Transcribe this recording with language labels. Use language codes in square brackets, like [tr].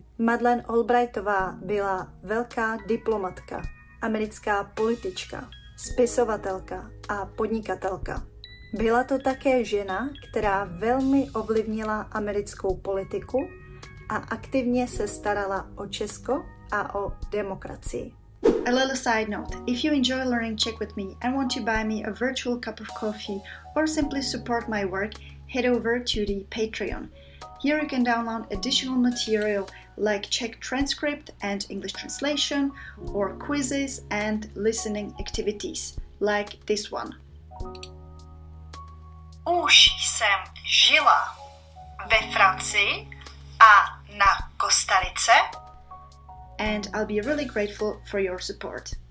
[cs] Madeleine Albrightová byla velká diplomatka, americká politička, spisovatelka a podnikatelka. Byla to také žena, která velmi ovlivnila americkou politiku a aktivně se starala o Česko a o demokracii. [en] A little side note, if you enjoy learning Czech with me and want to buy me a virtual cup of coffee or simply support my work, head over to the Patreon. Here you can download additional material like Czech transcript and English translation, or quizzes and listening activities, like this one. [cs] Už jsem žila ve Francii a na Kostarice. [en] And I'll be really grateful for your support.